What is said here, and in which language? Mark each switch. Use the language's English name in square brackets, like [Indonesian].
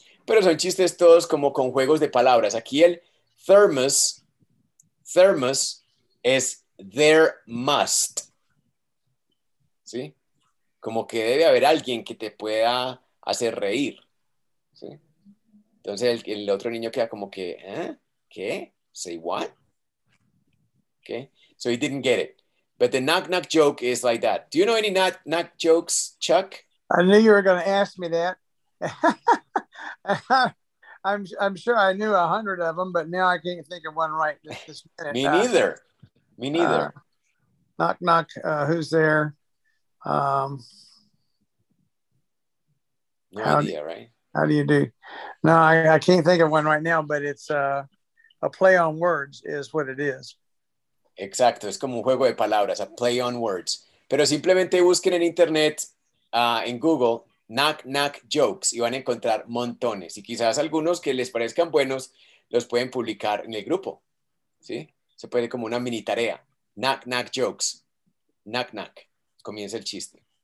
[Spanish] Pero son chistes todos como con juegos de palabras. Aquí el thermos es [English] there must. [Spanish] ¿Sí? Como que debe haber alguien que te pueda hacer reír. ¿Sí? Entonces el otro niño queda como que, ¿eh? ¿Qué? [English] Say what? Okay. So he didn't get it. But the knock knock joke is like that. Do you know any knock knock jokes, Chuck? I knew you were going to ask me that. I'm sure I knew 100 of them, but now I can't think of one right this minute. Me neither. Me neither. Knock knock. Who's there? No idea, right? How do you do? No, I can't think of one right now, but it's a play on words is what it is. [Spanish] Exacto. Es como un juego de palabras, [English] a play on words. [Spanish] Pero simplemente busquen en internet, en Google, knock knock jokes, y van a encontrar montones. Y quizás algunos que les parezcan buenos los pueden publicar en el grupo. ¿Sí? Se puede como una mini tarea. [English] Knock knock jokes. Knock knock. [Spanish] Comienza el chiste.